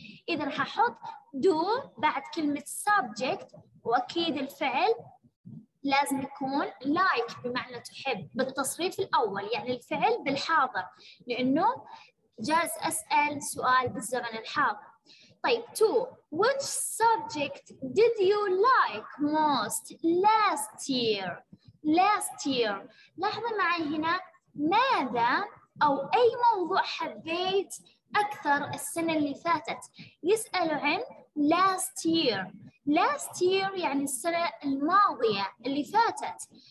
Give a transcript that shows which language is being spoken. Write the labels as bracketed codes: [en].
[ar] إذا هحط do بعد كلمة subject، وأكيد الفعل لازم يكون like بمعنى تحب بالتصريف الأول، يعني الفعل بالحاضر لأنه جاز أسأل سؤال بالزمن الحاضر. طيب [en] 2 which subject did you like most last year. [ar] Last year لاحظ معي هنا ماذا أو أي موضوع حبيت أكثر السنة اللي فاتت، يسأل عن last year. Last year يعني السنة الماضية اللي فاتت.